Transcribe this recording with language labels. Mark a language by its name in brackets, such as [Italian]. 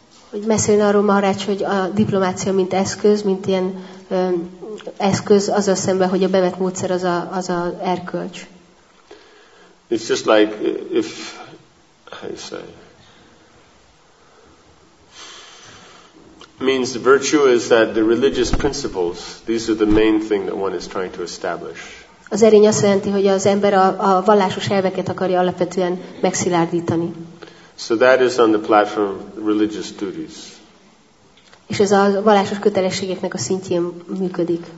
[Hungarian] Hogy beszélni arról Maharács, hogy a diplomácia mint eszköz, mint ilyen eszköz, az a szemben, hogy a bevett módszer az a, az a erkölcs. [English] It's just like if I say means virtue is that the religious principles, these are the main thing that one is trying to establish. [Hungarian] Az erény azt jelenti, hogy az ember a vallásos elveket akarja alapvetően megszilárdítani. [English] So that is on the platform of religious duties. [Hungarian] És ez a vallásos kötelességeknek a szintjén működik.